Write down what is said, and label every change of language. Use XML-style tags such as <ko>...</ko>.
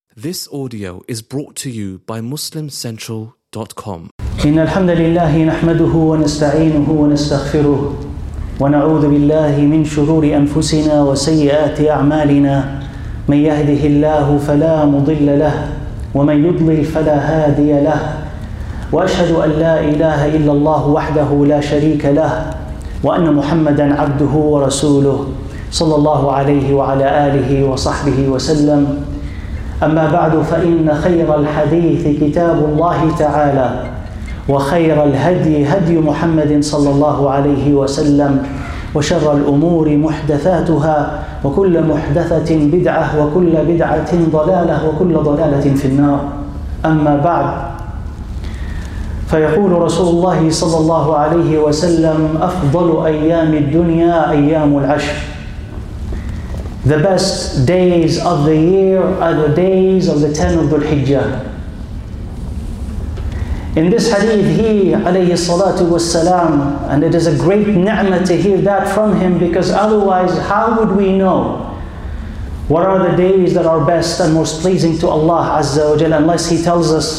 <en>This audio is brought to you by MuslimCentral.com.</en> <ar>إن الحمد لله نحمده ونستعينه ونستغفره ونعوذ بالله من شرور أنفسنا وسيئات أعمالنا من يهده الله فلا مضل له ومن يضلل فلا هادي له وأشهد أن لا إله إلا الله وحده لا شريك له وأن محمدا عبده ورسوله صلى الله عليه وعلى آله وصحبه وسلم أما بعد فإن خير الحديث كتاب الله تعالى وخير الهدي هدي محمد صلى الله عليه وسلم وشر الأمور محدثاتها وكل محدثة بدعة وكل بدعة ضلالة وكل ضلالة في النار أما بعد فيقول رسول الله صلى الله عليه وسلم أفضل أيام الدنيا أيام العشر.</ar> <en>The best days of the year are the days of the 10 of Dhul-Hijjah. In this hadith, he, alayhi salatu wassalam, and it is a great ni'mah to hear that from him, because otherwise, how would we know what are the days that are best and most pleasing to Allah Azza wa Jalla unless he tells us?</en>